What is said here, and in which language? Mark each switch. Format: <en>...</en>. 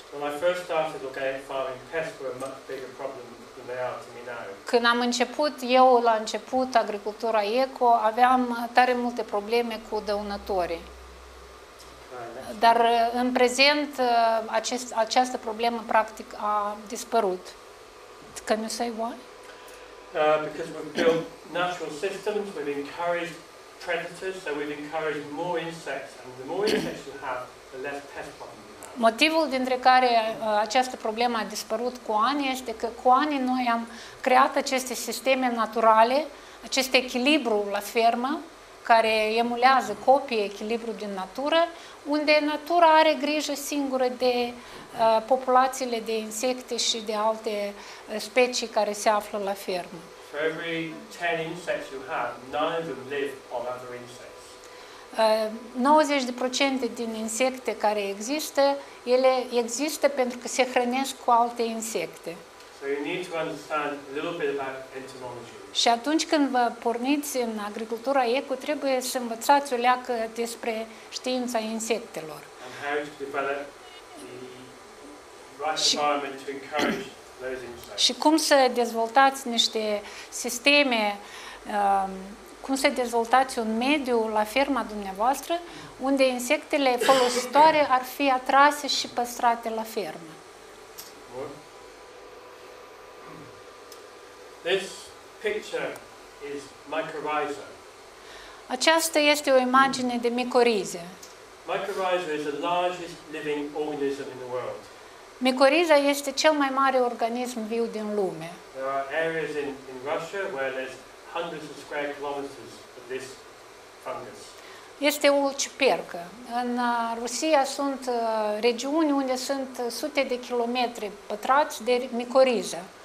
<en>When I first started organic farming, pests were a much bigger problem than they are to me now.</en> <ro>Când am început, eu la început, agricultura eco, aveam tare multe probleme cu dăunătorii. Dar în prezent, această problemă practic a dispărut.</ro> <en>Can you say why? Because we've built natural systems, we've encouraged predators, so we've encouraged more insects, and the more insects you have, the less pest problems.</en> <ro>Motivul dintre care această problemă a dispărut cu anii este că cu anii noi am creat aceste sisteme naturale, acest echilibru la fermă, care emulează copii echilibru din natură, unde natura are grijă singură de populațiile de insecte și de alte specii care se află la fermă.</ro> <en>For every 10 insects you have, none of them live on other insects.</en> <ro>90% din insecte care există, ele există pentru că se hrănesc cu alte insecte.</ro> <en>So you need to understand a little bit about entomology.</en> <ro>Și atunci când vă porniți în agricultura eco, trebuie să învățați o leacă despre știința insectelor.</ro> <en>And how to develop the right environment to encourage those insects.</en> <ro>Și cum să dezvoltați niște sisteme, cum să dezvoltați un mediu la ferma dumneavoastră unde insectele folositoare ar fi atrase și păstrate la fermă.</ro> <en>This picture is mycorrhiza.</en> <ro>Aceasta este o imagine de micorize.</ro> <en>Mycorrhiza is the largest living organism in the world.</en> <ro>Micoriza este cel mai mare organism viu din lume.</ro> <en>There are areas in Russia where there's hundreds of square kilometers of this fungus.</en> <ro>Este ulcipercă. În Rusia sunt regiuni unde sunt sute de kilometri pătrați de micoriză.</ro>